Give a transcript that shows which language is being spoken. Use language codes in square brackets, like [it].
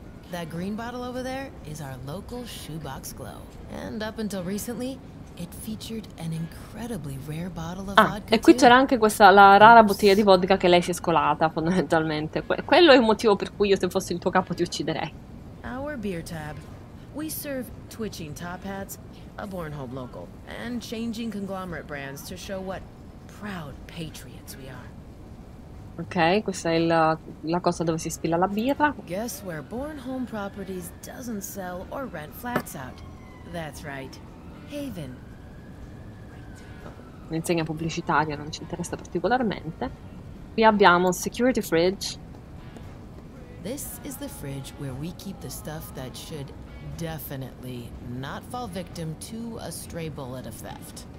[en] That green bottle over there is our local shoebox glow. And up until recently. It featured an incredibly rare bottle of vodka. [it] E qui c'era anche questa la rara bottiglia di vodka che lei si è scolata, fondamentalmente. Quello è il motivo per cui io, se fossi il tuo capo, ti ucciderei. [en] Our beer tab. We serve twitching top hats, a Bornholm local, and changing conglomerate brands to show what proud patriots we are. [it] Ok, questa è la cosa dove si spilla la birra. [en] Guess where Bornholm Properties doesn't sell or rent flats out. That's right. [it] Haven. Un'insegna pubblicitaria non ci interessa particolarmente. Qui abbiamo security fridge. [en] This is the fridge where we keep the stuff that should definitely not fall victim to a stray bullet of theft.